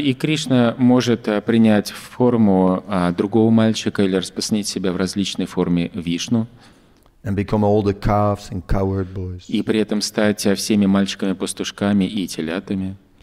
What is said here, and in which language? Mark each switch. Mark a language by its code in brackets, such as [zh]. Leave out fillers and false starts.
[ru] И Кришна может принять форму другого мальчика или распространить себя в различной форме Вишну. [en] And become all the calves and coward boys. [ru] И при этом стать всеми мальчиками-пастушками и телятами.